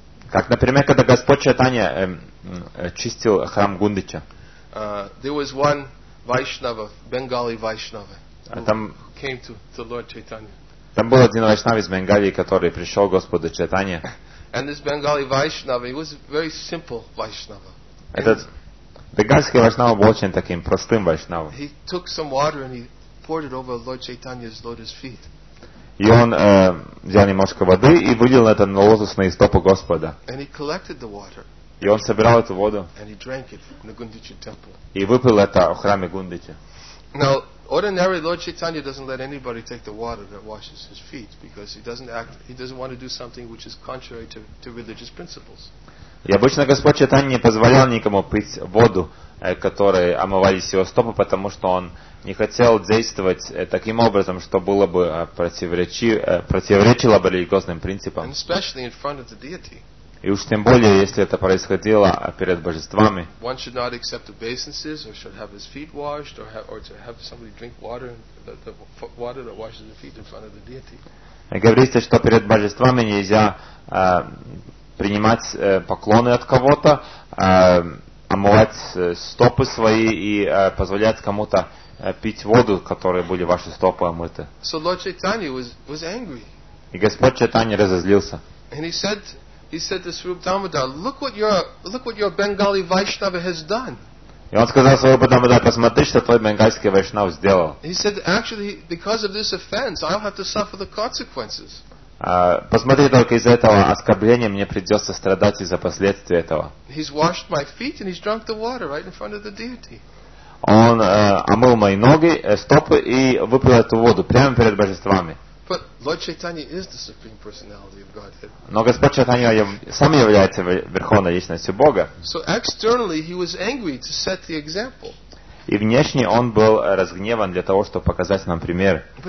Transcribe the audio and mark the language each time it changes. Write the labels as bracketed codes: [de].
[ru] Как, например, когда Господь Чайтанья чистил храм Гундича. [en] There was one Vaishnava, Bengali Vaishnava. [ru] Там [en] came to Lord Chaitanya. [ru] Там был один вайшнав из Бенгалии, который пришел к Господу Чайтанья. [en] And this Bengali Vaishnava, he was a very simple Vaishnava. [ru] Этот бенгальский вайшнава был очень таким простым вайшнавом. [en] He took some water and he poured it over Lord Chaitanya's lotus feet. [ru] И он взял немножко воды и вылил это на лотосные стопы Господа. [en] And he collected the water. [ru] И он собирал эту воду. [en] And he drank it in the Gundicha temple. [ru] И выпил это в храме Гундичи. [en] Now, ordinarily, Lord Chaitanya doesn't let anybody take the water that washes his feet because he doesn't want to do something which is contrary to religious principles. [ru] И обычно Господь Чайтанья не позволял никому пить воду, которой омывались его стопы, потому что он не хотел действовать таким образом, что было бы противоречило бы религиозным принципам. [en] And especially in front of the deity. [ru] И уж тем более, если это происходило перед божествами. [en] One should not accept obeisances, or should have his feet washed, or to have somebody drink water, the water that washes the feet in front of the deity. [ru] Говорится, что перед божествами нельзя принимать поклоны от кого-то, омывать стопы свои и позволять кому-то пить воду, которой были ваши стопы омыты. [en] So Lord Chaitanya was angry. [ru] И Господь Чайтанья разозлился. [en] And he said to Swarup Damodar, look what your Bengali Vaishnava has done. [ru] И он сказал Свару Дамодар, посмотри, что твой бенгальский вайшнав сделал. [en] He said, actually, because of this offense, I'll have to suffer the consequences. [ru] Посмотри только из-за этого оскорбления мне придется страдать из-за последствий этого. [en] He's washed my feet and he's drunk the water right in front of the deity. [ru] Он омыл мои ноги, стопы и выпил эту воду прямо перед божествами. [en] But Lord Chaitanya is the supreme personality of Godhead. [ru] Но Господь Чайтанья сам является верховной личностью Бога. [en] So externally he was angry to set the example. [ru] И внешне он был разгневан для того, чтобы показать нам пример.